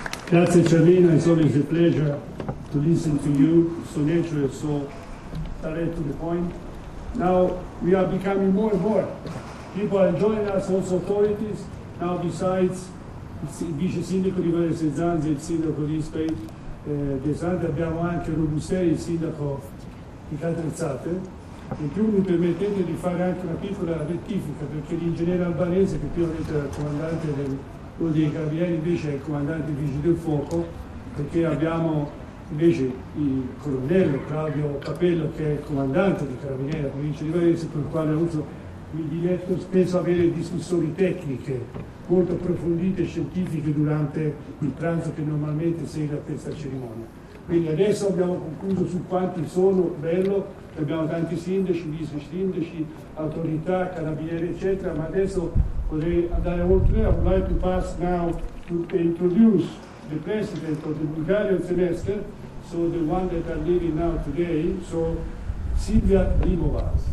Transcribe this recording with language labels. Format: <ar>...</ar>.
<it>Grazie, Cervina.</it> <en>It's always a pleasure to listen to you, so natural, so direct to the point. Now, we are becoming more and more. People are joining us, also authorities. Now, besides</en> <it>Vice Sindaco di Varese Zanzi e il Sindaco di Ispay, De Sante, abbiamo anche Robusteri, il Sindaco di Caltrezzate. In più, mi permettete di fare anche una piccola rettifica, perché l'ingegnere albanese, che prima era il comandante del uno dei carabinieri, invece è il comandante dei Vigili del Fuoco, perché abbiamo invece il colonnello Claudio Capello, che è il comandante dei carabinieri della provincia di Varese, per il quale uso il diretto spesso avere discussioni tecniche molto approfondite e scientifiche durante il pranzo che normalmente segue a questa cerimonia. Quindi adesso abbiamo concluso su quanti sono, bello, abbiamo tanti sindaci, vice sindaci, autorità, carabinieri, eccetera, ma adesso vorrei andare oltre.</it> <en>I would like to pass now to introduce the president of the Bulgarian semester, so the one that I'm leading now today, so Silvia Dimova.</en>